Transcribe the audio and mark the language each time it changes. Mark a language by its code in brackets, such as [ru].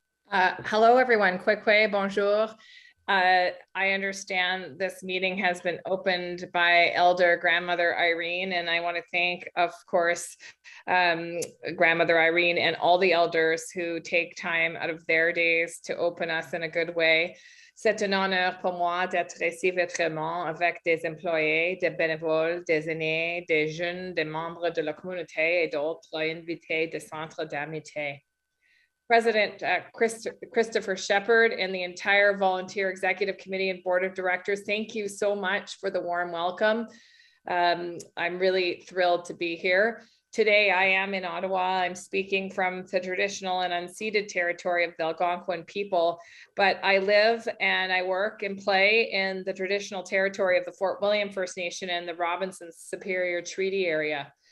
[en] Hello, everyone. Kwekwe, bonjour. I understand this meeting has been opened by Elder Grandmother Irene, and I want to thank, of course, Grandmother Irene and all the elders who take time out of their days to open us in a good way. [fr] C'est un honneur pour moi d'être ici vraiment avec des employés, des bénévoles, des aînés, des jeunes, des membres de la communauté et d'autres invités de centres d'amitié. [en] President Christopher Shepherd and the entire Volunteer Executive Committee and Board of Directors, thank you so much for the warm welcome. I'm really thrilled to be here. Today I am in Ottawa. I'm speaking from the traditional and unceded territory of the Algonquin people, but I live and I work and play in the traditional territory of the Fort William First Nation and the Robinson Superior Treaty area.